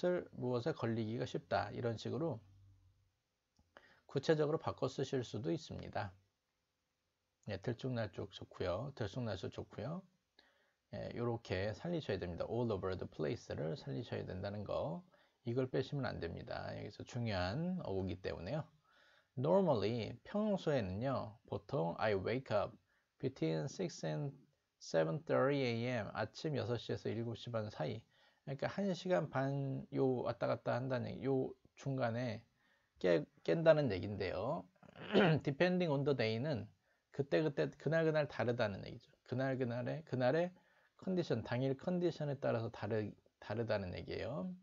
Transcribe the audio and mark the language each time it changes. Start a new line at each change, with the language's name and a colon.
Korean: 무엇에 걸리기가 쉽다. 이런 식으로 구체적으로 바꿔 쓰실 수도 있습니다. 네, 들쭉날쭉 좋고요. 들쭉날쭉 좋고요. 네, 이렇게 살리셔야 됩니다.
English: All over the place
Korean: 를 살리셔야 된다는 거. 이걸 빼시면 안 됩니다. 여기서 중요한 어구이기 때문에요.
English: Normally,
Korean: 평소에는요. 보통
English: I wake up between 6 and 7:30 a.m.
Korean: 아침 6시에서 7시 반 사이. 그러니까 1시간 반요 왔다 갔다 한다는 얘기. 요 중간에 깬다는 얘긴데요.
English: Depending on the day
Korean: 는 그때그때 그날그날 다르다는 얘기죠. 그날의 컨디션, 당일 컨디션에 따라서 다르다는 얘기예요.